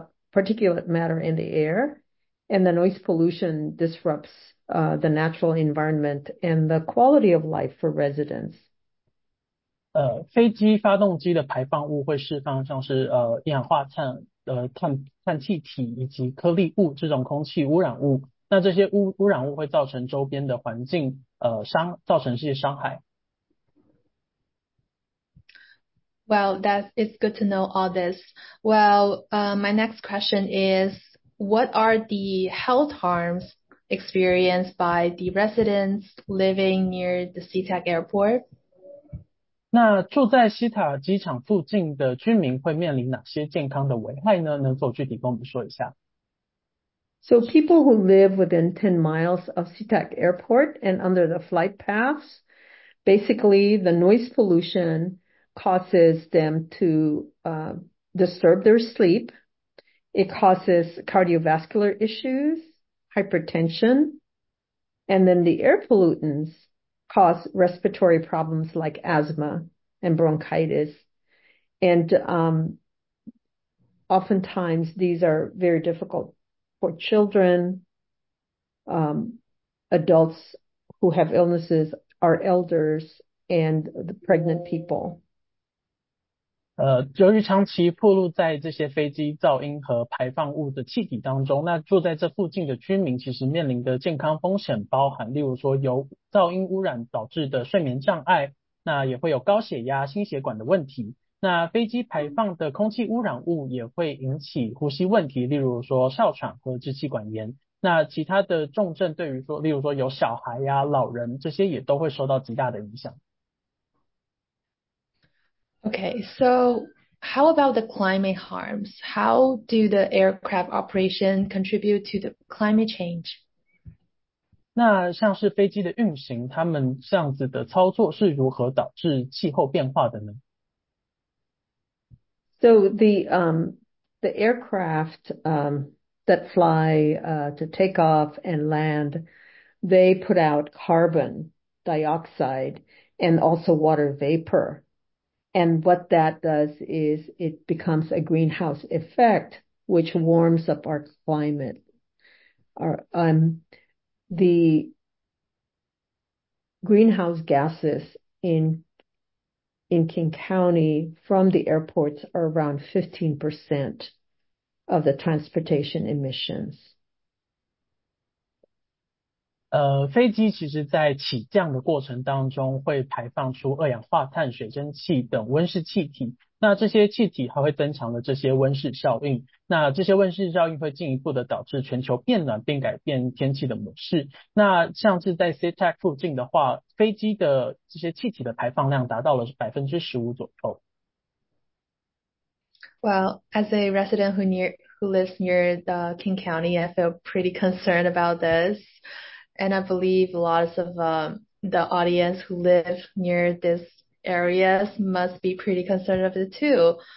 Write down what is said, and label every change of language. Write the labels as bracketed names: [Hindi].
[English] Particulate matter in the air, and the noise pollution disrupts the natural environment and the quality of life for residents. [Chinese] 飞机发动机的排放物会释放像是一氧化碳、碳气体以及颗粒物这种空气污染物。那这些污染物会造成周边的环境造成这些伤害。 [English] Well, it's good to know all this. Well, my next question is, what are the health harms experienced by the residents living near the SeaTac airport? [Chinese] 那住在西塔机场附近的居民会面临哪些健康的危害呢？能否具体跟我们说一下？ [English] So people who live within 10 miles of SeaTac Airport and under the flight paths, basically the noise pollution causes them to disturb their sleep. It causes cardiovascular issues, hypertension, and then the air pollutants cause respiratory problems like asthma and bronchitis. And oftentimes these are very difficult for children, adults who have illnesses, our elders, and the pregnant people. [Chinese] 由于长期暴露在这些飞机噪音和排放物的气体当中，那住在这附近的居民其实面临的健康风险包含，例如说由噪音污染导致的睡眠障碍，那也会有高血压、心血管的问题。那飞机排放的空气污染物也会引起呼吸问题，例如说哮喘和支气管炎。那其他的重症，对于说，例如说有小孩呀、老人这些，也都会受到极大的影响。 [English] Okay, so how about the climate harms? How do the aircraft operation contribute to the climate change? [Chinese] 那像是飞机的运行，他们这样子的操作是如何导致气候变化的呢？ [English] So the aircraft that fly to take off and land, they put out carbon dioxide and also water vapor. And what that does is it becomes a greenhouse effect, which warms up our climate. The greenhouse gases in King County from the airports are around 15% of the transportation emissions. [Chinese] 飞机其实在起降的过程当中会排放出二氧化碳、水蒸气等温室气体。那这些气体还会增强了这些温室效应。那这些温室效应会进一步的导致全球变暖并改变天气的模式。那像是在 SeaTac 附近的话，飞机的这些气体的排放量达到了15%左右。 [English] Well, as a resident who lives near the King County, I feel pretty concerned about this. And I believe lots of the audience who live near this areas must be pretty concerned of it too.